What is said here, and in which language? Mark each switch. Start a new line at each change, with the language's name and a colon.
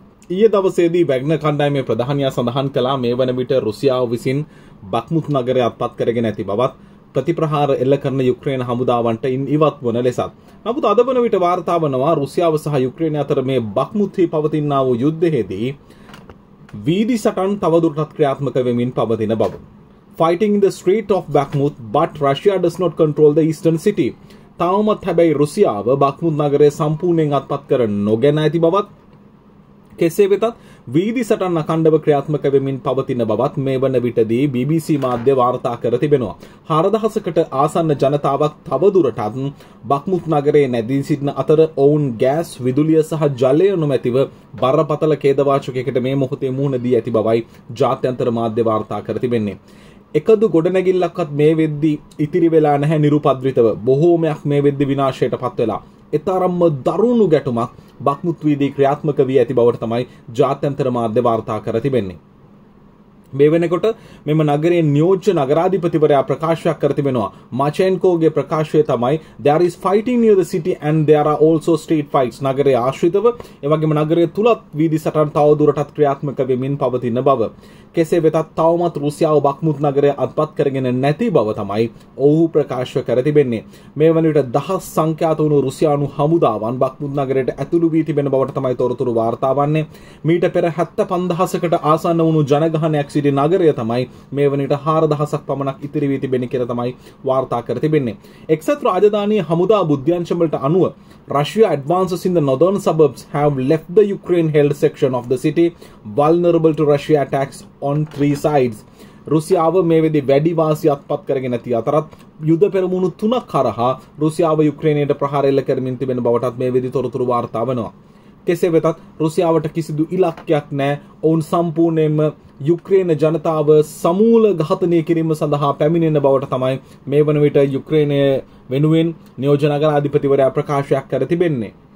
Sinhala: ඊයේ දවසේදී වැග්න කණ්ඩායමේ ප්‍රධානියා සඳහන් කළා මේ වන විට රුසියාව විසින් බක්මුත් නගරය අත්පත් කරගෙන ඇති බවත් ප්‍රතිප්‍රහාර එල්ල කරන යුක්‍රේන හමුදාවන්ට ඉවත් වන ලෙසත්. නමුත් අද වන විට වාර්තා වනවා රුසියාව සහ යුක්‍රේන අතර මේ බක්මුත්හි පවතිනා වූ යුද්ධයේදී වීදි සටන් තවදුරටත් ක්‍රියාත්මක වෙමින් පවතින බව.
English: Fighting in the street of Bakhmut, but Russia does not control the eastern city.
Sinhala: තවමත් හැබැයි රුසියාව බක්මුත් නගරය සම්පූර්ණයෙන් අත්පත් කර නොගෙන ඇති බවත් කෙසේ වෙතත් වීදි සටන් අඛණ්ඩව ක්‍රියාත්මක වෙමින් පවතින බවත් මේ වන විටදී BBC මාධ්‍ය වාර්තා කර තිබෙනවා. 4000කට ආසන්න ජනතාවක් තවදුරටත් බක්මුත් නගරයේ නැදී සිටින අතර ඔවුන් ගෑස්, විදුලිය සහ ජලය නොමැතිව බරපතල ඛේදවාචකයකට මේ මොහොතේ මුහුණ දී ඇති බවයි ජාත්‍යන්තර මාධ්‍ය වාර්තා කර තිබෙන්නේ. එකදු ගොඩනැගිල්ලක්වත් මේ වෙද්දී ඉතිරි වෙලා නැහැ නිරුපද්‍රිතව. බොහෝමයක් මේ වෙද්දී විනාශයට පත් වෙලා. එතරම්ම දරුණු ගැටුමක් බක්මුත් වීදී ක්‍රියාත්මක වී ඇති බවට තමයි ජාත්‍යන්තර මාධ්‍ය වාර්තා කර තිබෙන්නේ. මේ වෙනකොට මෙම නගරයේ නියෝජ්‍ය නගරාධිපතිවරයා ප්‍රකාශයක් කර තිබෙනවා. මචෙන්කෝගේ ප්‍රකාශය තමයි
English: "There is fighting near the city and there are also street fights."
Sinhala: නගරයේ ආශ්‍රිතව, ඒ වගේම නගරයේ තුලත් වීදි සටන් තවදුරටත් ක්‍රියාත්මක වෙමින් පවතින බව. කෙසේ වෙතත් තවමත් රුසියාව බක්මුත් නගරය අත්පත් කරගෙන නැති බව තමයි ඔහු ප්‍රකාශ කර තිබෙන්නේ. මේ වන විට දහස් සංඛ්‍යාත වූ රුසියානු හමුදාවන් බක්මුත් නගරයට ඇතුළු වී තිබෙන බවට තමයි තොරතුරු වාර්තා වන්නේ. මීට පෙර 75,000කට ආසන්න වූ ජනගහනයක් සිටි නගරය තමයි මේ වන විට 4,000ක් පමණක් ඉතිරි වී තිබෙන්නේ කියලා තමයි වාර්තා කර තිබෙන්නේ. එක්සත් රාජධානී හමුදා බුද්ධ්‍යංශ වලට අනුව
English: Russia advances in the northern suburbs have left the Ukraine-held section of the city vulnerable to Russia attacks on three sides.
Sinhala: රුසියාව මේ වෙදී වැඩි වාසි අත්පත් කරගෙන ඇති අතරත් යුද පෙරමුණු තුනක් හරහා රුසියාව යුක්‍රේනයට ප්‍රහාර එල්ල කරමින් තිබෙන බවටත් මේ වෙදී තොරතුරු වාර්තා වෙනවා. කෙසේ වෙතත් රුසියාවට කිසිදු ඉලක්කයක් නැහැ. ඔවුන් සම්පූර්ණයෙන්ම යුක්‍රේන ජනතාව සමූල ඝාතනය කිරීම සඳහා පැමිණෙන බවට තමයි මේ වන විට යුක්‍රේනය වෙනුවෙන් නියෝජ්‍ය නගරාධිපතිවරයා ප්‍රකාශයක් කර තිබෙන්නේ.